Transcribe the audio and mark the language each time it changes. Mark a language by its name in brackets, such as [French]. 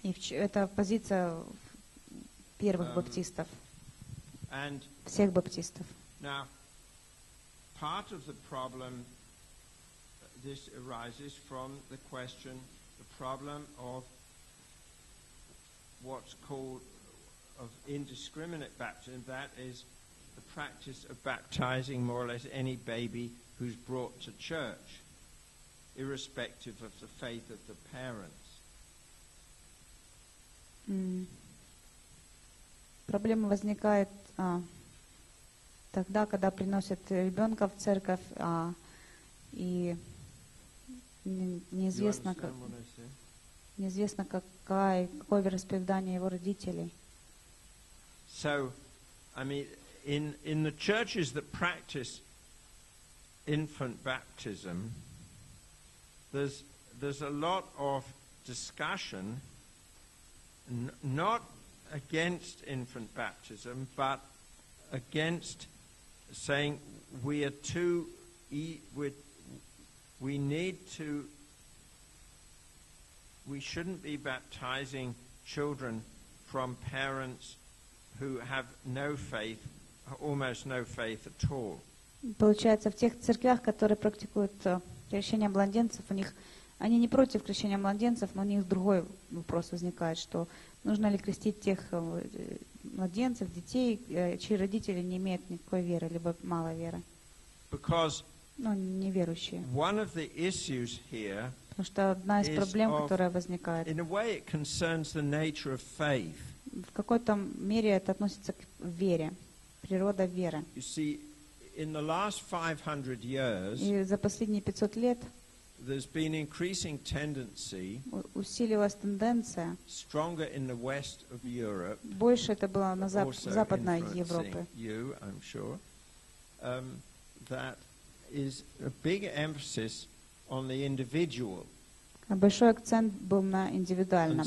[Russian] Это позиция первых баптистов, всех баптистов. [English] Now, part of the problem, this arises from the question, the problem of what's called of indiscriminate baptism, that is the practice of baptizing more or less any baby who's brought to church, irrespective of the faith of the parents. [Russian] Проблема возникает тогда, когда приносят ребенка в церковь, и неизвестно, какое вероисповедание его родителей. [English] So, I mean, in the churches that practice infant baptism, there's a lot of discussion, not against infant baptism, but against saying we shouldn't be baptizing children from parents who have no faith, almost no faith at all. [Russian] Получается, в тех церквях, которые практикуют крещение младенцев, у них они не против крещения младенцев, но у них другой вопрос возникает, что нужно ли крестить тех младенцев, детей, чьи родители не имеют никакой веры, либо мало веры. [English] Because [Russian] ну, неверующие. [English] One of the issues here [Russian] потому что одна из проблем, которая возникает, [English] in a way it concerns the nature of faith. [Russian] В какой-то мере это относится к вере, природа веры. [English] You see, in the last 500 years, [Russian] и за последние 500 лет [English] there's been increasing tendency, [Russian] усилилась тенденция, [English] stronger in the west of Europe, [Russian] больше это было на западной Европе, [English] you, I'm sure, that is a big emphasis on the individual. [Russian] Большой акцент был на индивидуальном.